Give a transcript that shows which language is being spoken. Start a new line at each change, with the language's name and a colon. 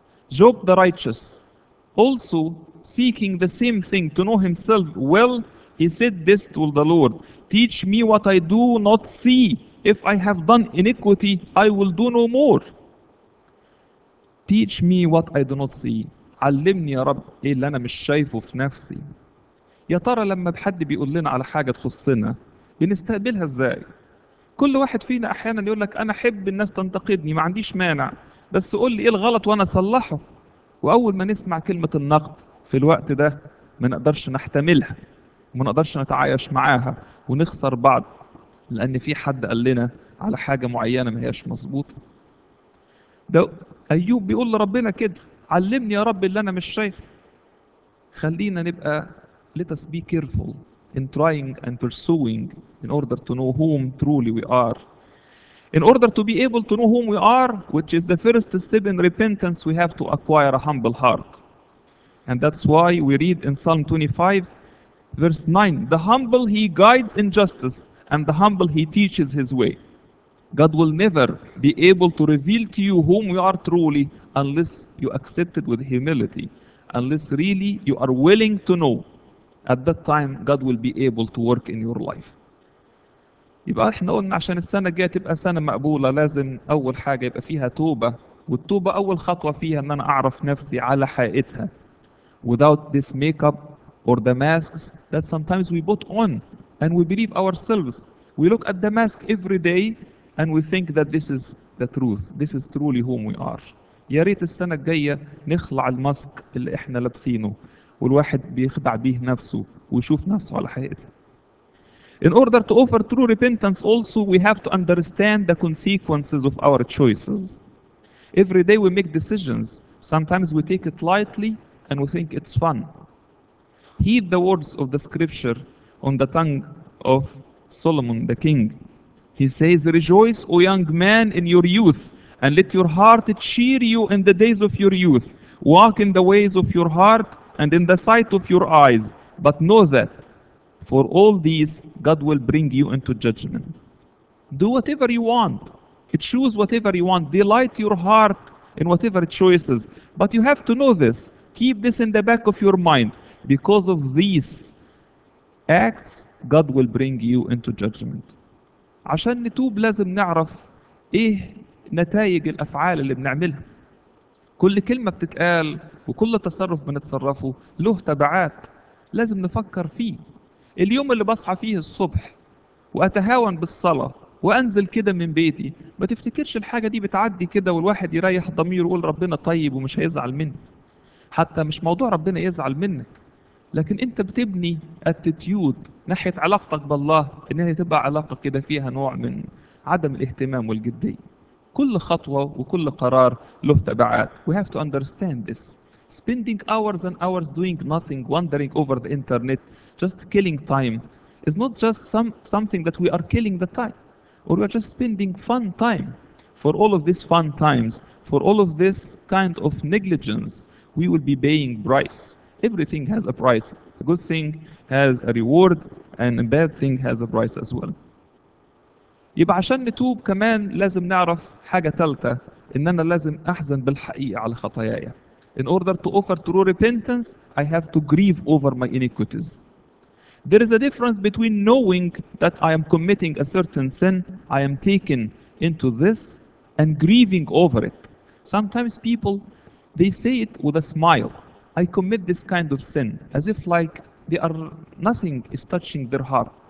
English: Job the righteous, also seeking the same thing, to know himself well, he said this to the Lord, teach me what I do not see. If I have done iniquity, I will do no more. Teach me what I do not see.
Arabic: علمني يا رب إيه اللي أنا مش شايفه في نفسي. يا ترى لما بحد بيقول لنا على حاجة تخصنا بنستقبلها إزاي؟ كل واحد فينا أحيانا يقول لك أنا أحب الناس تنتقدني، ما عنديش مانع، بس قول لي إيه الغلط وأنا أصلحه. وأول ما نسمع كلمة النقد في الوقت ده ما نقدرش نحتملها وما نقدرش نتعايش معاها ونخسر بعض، لأن في حد قال لنا على حاجة معينة ما هيش مظبوطة. ده أيوب بيقول لربنا كده، علمني يا رب اللي أنا مش شايف. خلينا نبقى
English: let us be careful in trying and pursuing in order to know whom truly we are. In order to be able to know whom we are, which is the first step in repentance, we have to acquire a humble heart. And that's why we read in Psalm 25, verse 9, the humble he guides in justice and the humble he teaches his way. God will never be able to reveal to you whom you are truly unless you accept it with humility, unless really you are willing to know. At that time, God will be able to work in your life.
Arabic: يبقى احنا قلنا عشان السنة الجاية تبقى سنة مقبولة لازم أول حاجة يبقى فيها توبة، والتوبة أول خطوة فيها أن أنا أعرف نفسي على حقيقتها.
English: Without this makeup or the masks that sometimes we put on and we believe ourselves. We look at the mask every day and we think that this is the truth. This is truly whom we are.
Arabic: يا ريت السنة الجاية نخلع الماسك اللي احنا لابسينه والواحد بيخدع بيه نفسه ويشوف نفسه على حقيقته.
English: In order to offer true repentance also, we have to understand the consequences of our choices. Every day we make decisions. Sometimes we take it lightly and we think it's fun. Heed the words of the scripture on the tongue of Solomon the king. He says, rejoice, O young man, in your youth, and let your heart cheer you in the days of your youth. Walk in the ways of your heart and in the sight of your eyes. But know that for all these, God will bring you into judgment. Do whatever you want. Choose whatever you want. Delight your heart in whatever choices. But you have to know this. Keep this in the back of your mind. Because of these acts, God will bring you into judgment.
Arabic: عشان نتوب لازم نعرف ايه نتائج الافعال اللي بنعملها. كل كلمة بتتقال وكل تصرف بنتصرفه له تبعات لازم نفكر فيه. اليوم اللي بصحى فيه الصبح واتهاون بالصلاة وانزل كده من بيتي، ما تفتكرش الحاجة دي بتعدي كده والواحد يريح ضميره ويقول ربنا طيب ومش هيزعل مني. حتى مش موضوع ربنا يزعل منك، لكن انت بتبني اتيتيود ناحية علاقتك بالله انها تبقى علاقة كده فيها نوع من عدم الاهتمام والجدية. كل خطوة وكل قرار له تبعات.
English: We have to understand this. Spending hours and hours doing nothing, wandering over the internet, just killing time, is not just something that we are killing the time, or we are just spending fun time. For all of these fun times, for all of this kind of negligence, we will be paying price. Everything has a price. A good thing has a reward, and a bad thing has a price as well.
Arabic: يبقى عشان نتوب كمان لازم نعرف حاجة ثالثة، إن أنا لازم أحزن بالحقيقة على خطاياي.
English: In order to offer true repentance, I have to grieve over my iniquities. There is a difference between knowing that I am committing a certain sin, I am taken into this, and grieving over it. Sometimes people, they say it with a smile. I commit this kind of sin, as if like they are nothing is touching their heart.